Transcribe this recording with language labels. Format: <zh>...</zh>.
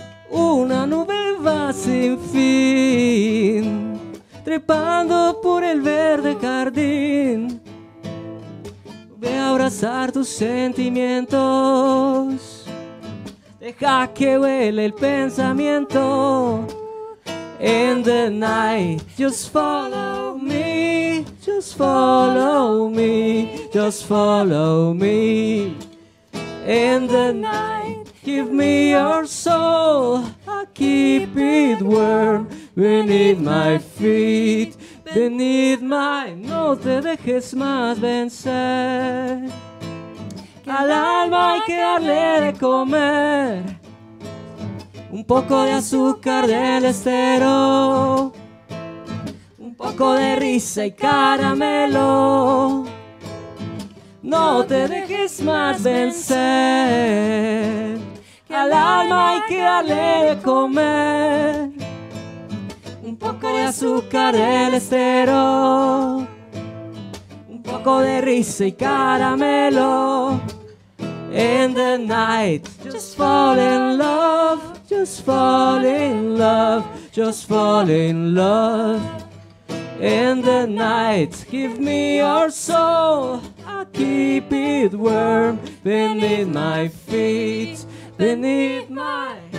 <es>Una nube va sin fin, trepando por el verde jardín. Ve a abrazar tus sentimientos, deja que vuele el pensamiento.</es> <en>In the night, just follow me, just follow me, just follow me. In the night, give me your soul, I'll keep it warm beneath my feet. Beneath my,</en> <es>no te dejes más vencer. Que al alma hay que darle de comer, un poco de azúcar del estero, un poco de risa y caramelo. No te dejes más vencer. Que al alma hay que darle de comer, un poco de azúcar del estero, un poco de risa y caramelo.</es> <en>In the night, just fall in love, just fall in love, just fall in love. In the night, give me your soul, I'll keep it warm beneath my feet, beneath my.</en>